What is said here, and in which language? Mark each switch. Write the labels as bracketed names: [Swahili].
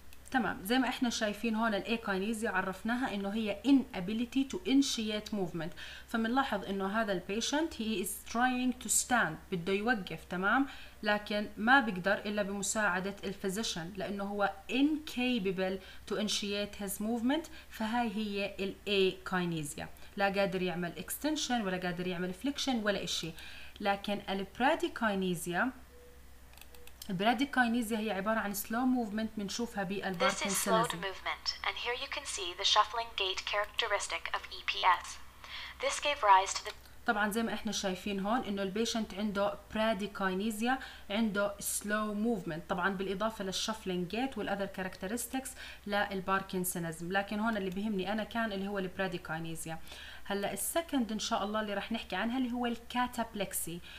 [Arabic] تمام، زي ما احنا شايفين هون الايكاينيزيا عرفناها انه هي [English] inability to initiate movement، [Arabic] فمنلاحظ انه هذا البيشنت [English] he is trying to stand، [Arabic] بده يوقف تمام، لكن ما بيقدر الا بمساعدة الفيزيشن لانه هو [English] incapable to initiate his movement. [Arabic] فهاي هي الايكاينيزيا، لا قادر يعمل extension ولا قادر يعمل flexion ولا اشي. لكن البراديكاينيزيا، البراديكاينيزيا هي عبارة عن [English] slow movement [Arabic] منشوفها بالباركنسونزم. [English] This is slowed movement and here you can see the shuffling gait characteristic of EPS. This gave rise to the... [Arabic] طبعا زي ما احنا شايفين هون انه البيشنت عنده براديكاينيزيا، عنده [English] slow movement [Arabic] طبعا بالاضافة للشفلينج gait والأذر characteristics للباركنسونزم، لكن هون اللي بهمني انا كان اللي هو البراديكاينيزيا. هلا السكند ان شاء الله اللي رح نحكي عنها اللي هو الكاتابلكسي.